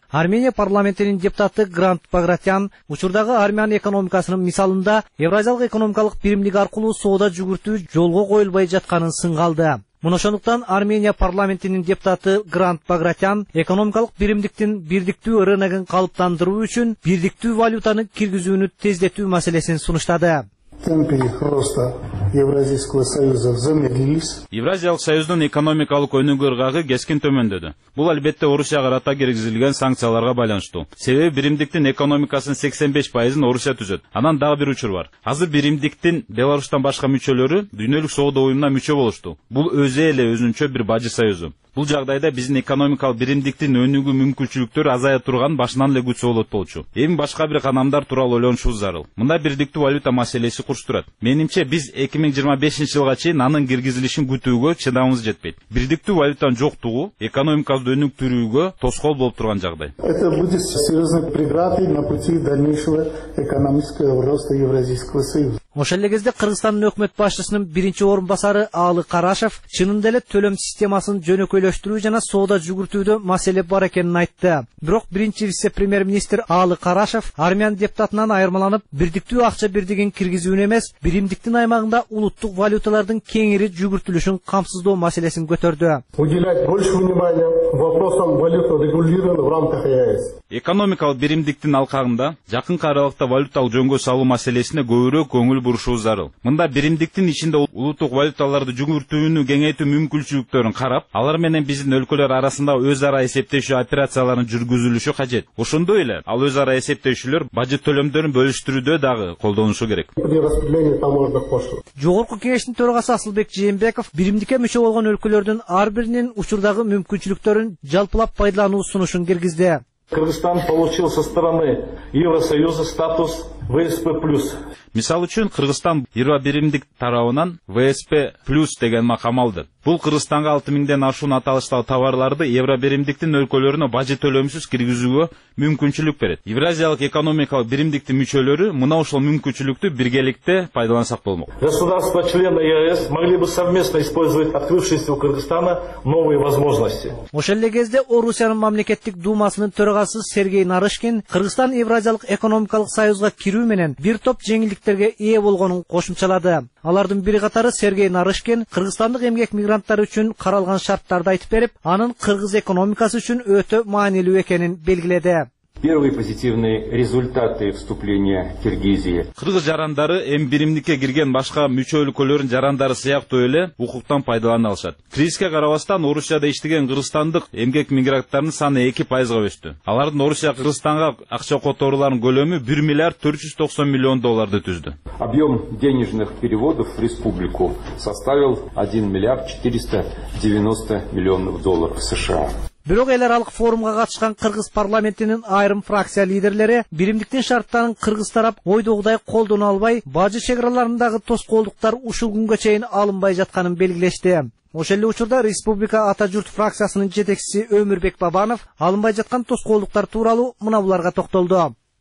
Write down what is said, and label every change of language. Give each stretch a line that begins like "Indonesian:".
Kyrgyz: Армения парламентинин депутаты Грант Багратян учурдагы армян экономикасынын мисалында евразиялык экономикалык биримдик аркылуу соода жүгүртүү жолго коюлбай жатканын сынга алды. Мына ошондуктан Армения парламентинин депутаты Грант Багратян экономикалык биримдиктин бирдиктүү рыногун калыптандыруу үчүн бирдиктүү валютаны киргизүүнү тездетүү маселесин сунуштады.
Russian: Темпы роста Евразийского союза замедлились.
Kyrgyz: Евразиялык союздун экономикалык өнүгүү ыргагы кескин төмөндөдү. Бул албетте Орусияга карата киргизилген санкцияларга байланыштуу. Себеби биримдиктин экономикасынын 85% Орусия түзөт. Анан дагы бир учур бар. Азыр биримдиктин Беларусьтан башка мүчөлөрү дүйнөлүк соода уюмуна мүчө болушту. Бул өзү эле өзүнчө бир бажы союзу. Бул жагдайда биздин экономикалык биримдиктин өнүгүү мүмкүнчүлүктөрү азая турган башынан эле күч болот болчу. Эми башка бир канамдар тууралуу ойлонушубуз зарыл. Мында бирдиктүү валюта маселеси курчтурат. Менимче биз 2025 жылга чейин анын киргизилишин күтүүгө чыдамыбыз жетпейт. Бирдиктүү валютанын жоктугу экономикабызды өнүктүрүүгө тоскоол болуп турган жагдай.
Russian: Это будет серьезной преградой на пути дальнейшего экономического роста Евразийского союза.
Kyrgyz: Ошол эле кезде Кыргызстандын өкмөт башчысынын биринчи орун басары Алы Карашев чынында эле төлөм системасын жөнөкөйлөштүрүү жана соода жүгүртүүдө маселе бар экенин айтты. Бирок биринчи вице премьер министр Алы Карашев армян депутатынан айырмаланып бирдиктүү акча бирдигин киргизүүнү эмес биримдиктин аймагында улуттук валюталардын кеңири жүгүртүлүшүн камсыздоо маселесин көтөрдү.
Russian: Уделять больше внимания вопросам валюта регулирования в рамках ЕАЭС.
Kyrgyz: Экономикалык биримдиктин алкагында жакынкы аралыкта валюталык жөнгө салуу маселесине көбүрөөк көңүл бурушубуз зарыл. Мында биримдиктин ичинде улуттук валюталарды жүгүртүүнү кеңейтүү мүмкүнчүлүктөрүн карап, алар менен биздин өлкөлөр арасында өз ара эсептешүү операцияларынын жүргүзүлүшү кажет. Ошондой эле ал өз ара эсептешүүлөр бажет төлөмдөрүн бөлүштүрүүдө дагы колдонушу керек. Жогорку кеңештин төрагасы Асылбек Жээнбеков биримдикке мүчө болгон өлкөлөрдүн ар биринин учурдагы мүмкүнчүлүктөрүн жалпылап пайдалануу сунушун киргизди.
Russian: Кыргызстан получил со стороны Евросоюза статус ВСП+.
Kyrgyz: Мисал үчүн Кыргызстан Евробиримдик тарабынан ВСП+ деген макам алды. Бул Кыргызстанга 6000 ашуун аталыштагы товарларды евробиримдиктин өлкөлөрүнө бажет төлөмсүз киргизүүгө мүмкүнчүлүк берет. Евразиялык экономикалык биримдиктин мүчөлөрү мына ошол мүмкүнчүлүктү биргеликте пайдалансак болмок.
Russian: Государства члены ЕС могли бы совместно использовать открывшиеся у Кыргызстана новые возможности.
Kyrgyz: Ошол эле кезде Орусиянын мамлекеттик думасынын төрагасы Сергей Нарышкин Кыргызстан евразиялык экономикалык союзга кирүү менен бир топ жеңилдиктерге ээ болгонун кошумчалады. Алардын бири катары Сергей Нарышкин кыргызстандык эмгек мигранттары үчүн каралган шарттарды айтып берип, анын кыргыз экономикасы үчүн өтө маанилүү экенин белгиледи.
Russian: Первые позитивные результаты вступления Киргизии.
Kyrgyz: Кыргыз жарандары М1-ке кирген башка мүчө өлкөлөрүн жарандары сыяктуу эле укуктан пайдалана алышат. Кризиске карабастан Орусияда иштеген кыргызстандык эмгек мигранттарынын саны 2% өстү. Алардын Орусия Кыргызстанга акча которууларынын көлөмү 1,490,000,000 долларды түздү.
Russian: Объем денежных переводов в республику составил 1,490,000,000 долларов США.
Kyrgyz: Бирок эл аралык форумга катышкан кыргыз парламентинин айрым фракция лидерлери биримдиктин шарттарын кыргыз тарап ойдогудай колдоно албай, бажы чекаралардагы тоскоолдуктар ушул күнгө чейин алынбай жатканын белгилешти. Ошол эле учурда Республика Ата Журт фракциясынын жетекчиси Өмүрбек Бабанов алынбай жаткан тоскоолдуктар тууралуу мына буларга токтолду.